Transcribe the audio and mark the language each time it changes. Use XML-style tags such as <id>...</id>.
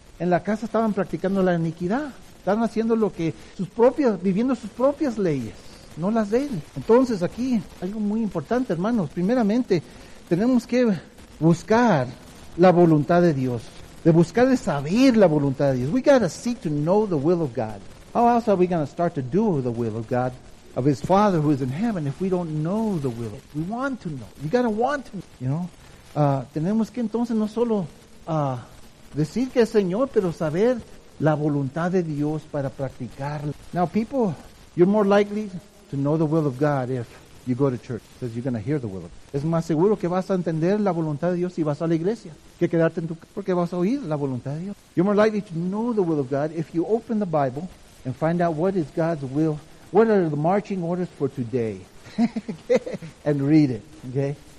<es>En la casa estaban practicando la iniquidad. Están haciendo lo que sus propias, viviendo sus propias leyes, no las de él. Entonces aquí algo muy importante, hermanos. Primeramente, tenemos que buscar la voluntad de Dios. De buscar de saber la voluntad de Dios.</es> <en>We gotta seek to know the will of God. How else are we gonna start to do the will of God, of His Father who is in heaven, if we don't know the will of God? We want to know. You gotta want to know. You know?</en> <es>Tenemos que entonces no solo decir que es Señor, pero saber la voluntad de Dios para practicarla.</es> <en>Now people, you're more likely to know the will of God if you go to church, because you're going to hear the will of God.</en> <es>Es más seguro que vas a entender la voluntad de Dios si vas a la iglesia, que quedarte en tu casa, porque vas a oír la voluntad de Dios.</es> <en>You're more likely to know the will of God if you open the Bible and find out what is God's will, what are the marching orders for today, and read it, okay?</en>